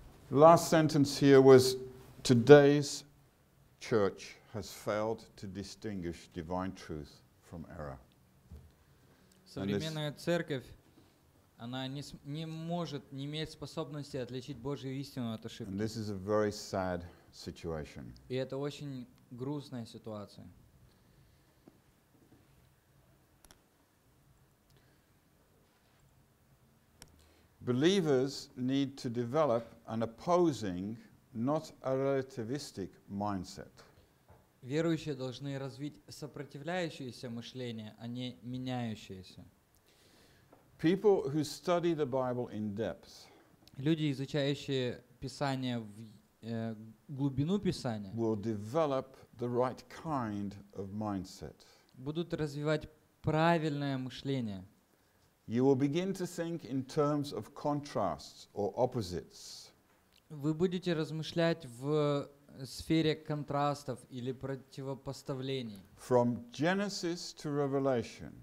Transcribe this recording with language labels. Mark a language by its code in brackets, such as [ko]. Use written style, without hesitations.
[en] Last sentence here was, today's church has failed to distinguish divine truth from error. [ru] Современная церковь, она не может, не имеет способности отличить Божью истину от ошибки. [en] And this is a very sad situation. [ru] И это очень грустная ситуация. [en] Believers need to develop an opposing, not a relativistic mindset. [ru] Верующие должны развить сопротивляющееся мышление, а не меняющееся. [en] People who study the Bible in depth. [ru] Люди, изучающие Писание в глубину Писания. [en] Will develop the right kind of mindset. [ru] Будут развивать правильное мышление. [en] You will begin to think in terms of contrasts or opposites. [ru] Вы будете размышлять в сфере контрастов или противопоставлений. [en] From Genesis to Revelation.